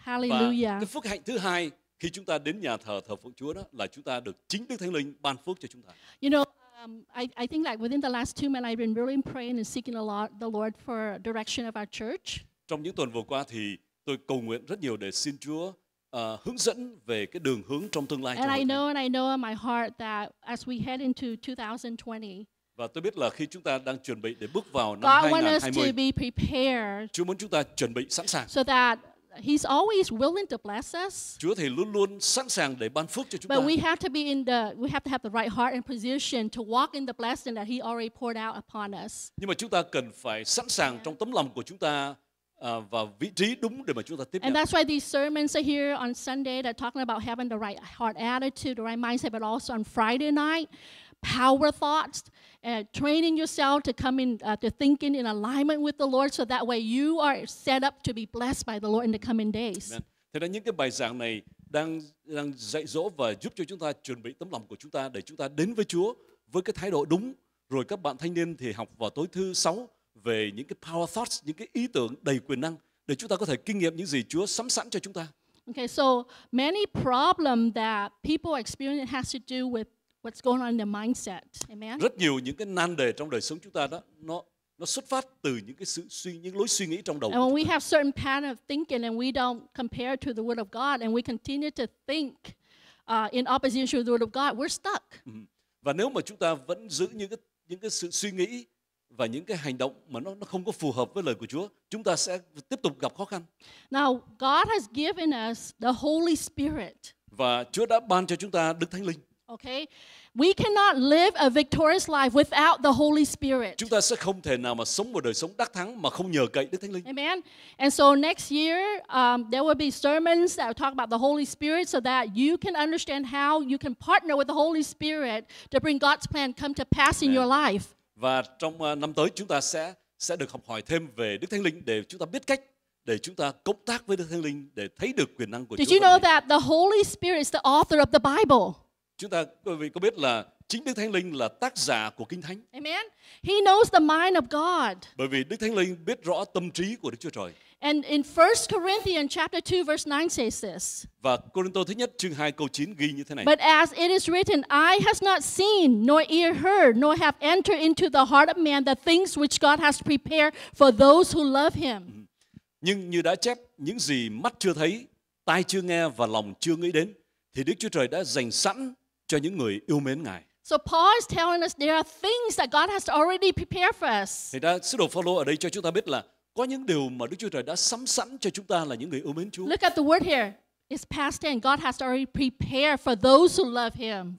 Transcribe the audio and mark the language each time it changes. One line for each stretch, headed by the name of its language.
English: Hallelujah.
Vietnamese: Và cái phước hạnh thứ hai khi chúng ta đến nhà thờ thờ phượng Chúa đó là chúng ta được chính Đức Thánh Linh ban phước cho chúng ta.
English: You know, I think like within the last 2 months I've been really praying and seeking a lot the Lord for direction of our church.
Vietnamese: trong những tuần vừa qua thì tôi cầu nguyện rất nhiều để xin Chúa hướng dẫn về cái đường hướng trong tương lai.
English: And I know, and I know in my heart that as we head into 2020.
Vietnamese: Và tôi biết là khi chúng ta đang chuẩn bị để bước vào năm 2020, Chúa muốn chúng ta chuẩn bị sẵn sàng.
English: So that He's always willing to bless us.
Vietnamese: Chúa thì luôn luôn sẵn sàng để ban phước cho chúng ta.
English: But we have to be in the, we have to have the right heart and position to walk in the blessing that He already poured out upon us.
Vietnamese: Nhưng mà chúng ta cần phải sẵn sàng trong tấm lòng của chúng ta và vị trí đúng để mà chúng ta tiếp nhận.
English: And that's why these sermons are here on Sunday that are talking about having the right heart attitude, the right mindset, but also on Friday night, power thoughts, training yourself to come in to thinking in alignment with the Lord, so that way you are set up to be blessed by the Lord in the coming days.
Vietnamese: Thế nên những cái bài giảng này đang dạy dỗ và giúp cho chúng ta chuẩn bị tấm lòng của chúng ta để chúng ta đến với Chúa với cái thái độ đúng. Rồi các bạn thanh niên thì học vào tối thứ sáu về những cái
English: power thoughts,
Vietnamese: những cái ý tưởng đầy quyền năng để chúng ta có thể kinh nghiệm những gì Chúa sắm sẵn cho chúng ta.
English: Okay, so many problems that people experience has to do with what's going on in the mindset. Amen.
Vietnamese: Rất nhiều những cái nan đề trong đời sống chúng ta đó nó xuất phát từ những cái sự suy những lối suy nghĩ trong đầu.
English: And when we have certain pattern of thinking and we don't compare to the word of God and we continue to think in opposition to the word of God, we're stuck.
Vietnamese: Và nếu mà chúng ta vẫn giữ những cái sự suy nghĩ và những cái hành động mà nó không có phù hợp với lời của Chúa, chúng ta sẽ tiếp tục gặp khó khăn.
English: Now, God has given us the Holy Spirit.
Vietnamese: Và Chúa đã ban cho chúng ta Đức Thánh Linh.
English: Okay, we cannot live a victorious life without the Holy Spirit.
Vietnamese: Chúng ta sẽ không thể nào mà sống một đời sống đắc thắng mà không nhờ cậy Đức Thánh Linh.
English: Amen. And so next year, there will be sermons that will talk about the Holy Spirit, so that you can understand how you can partner with the Holy Spirit to bring God's plan come to pass in your life.
Vietnamese: Và trong năm tới chúng ta sẽ được học hỏi thêm về Đức Thánh Linh để chúng ta biết cách để chúng ta cộng tác với Đức Thánh Linh để thấy được quyền năng của Chúa.
English: Did you know that the Holy Spirit is the author of the Bible?
Vietnamese: Chúng ta quý vị có biết là chính Đức Thánh Linh là tác giả của Kinh Thánh.
English: Amen. He knows the mind of God.
Vietnamese: Bởi vì Đức Thánh Linh biết rõ tâm trí của Đức Chúa Trời.
English: And in 1 Corinthians chapter 2 verse 9 says this.
Vietnamese: Và Cô-rinh-tô thứ nhất chương 2 câu 9 ghi như thế này.
English: But as it is written, eye has not seen, nor ear heard, nor have entered into the heart of man the things which God has prepared for those who love him.
Vietnamese: Nhưng như đã chép, những gì mắt chưa thấy, tai chưa nghe và lòng chưa nghĩ đến thì Đức Chúa Trời đã dành sẵn cho những người yêu mến Ngài.
English: So Paul is telling us there are things that God has already prepared for us.
Vietnamese: Thì đã sứ đồ Phaolô ở đây cho chúng ta biết là có những điều mà Đức Chúa Trời đã sắm sẵn cho chúng ta là những người yêu mến Chúa.
English: Look at the word here. It's past tense. God has already prepared for those who love him.